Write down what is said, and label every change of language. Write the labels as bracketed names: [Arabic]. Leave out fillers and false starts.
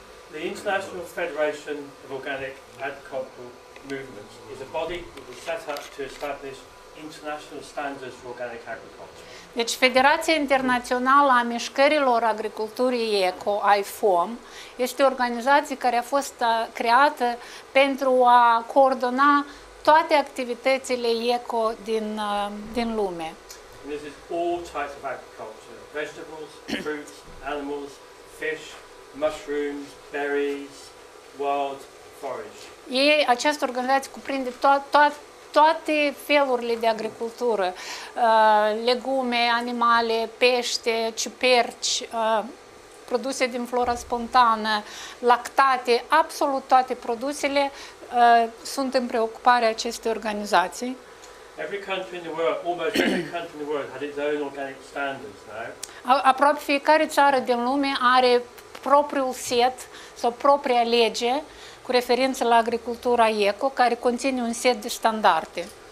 [English] The International Federation of Organic Agricultural Movements is a body that was set up to establish international standards for organic agriculture. [Romanian] Deci Federația Internațională a Mișcărilor Agriculturii Eco, IFOM, este o organizație care a fost creată pentru a coordona toate activitățile eco din lume. [English] And this is all types of agriculture: vegetables, fruits, animals, fish, mushrooms, berries, wild forage. [Romanian] Ei, această organizație cuprinde toate felurile de agricultură, legume, animale, pește, ciuperci, produse din flora spontană, lactate, absolut toate produsele sunt în preocuparea acestei organizații. [English] Every country in the world, almost every country in the world has its own organic standards now. [Romanian] Aproape fiecare țară din lume are propriul set sau propria lege cu referință la agricultura eco, care conține un set de standarde.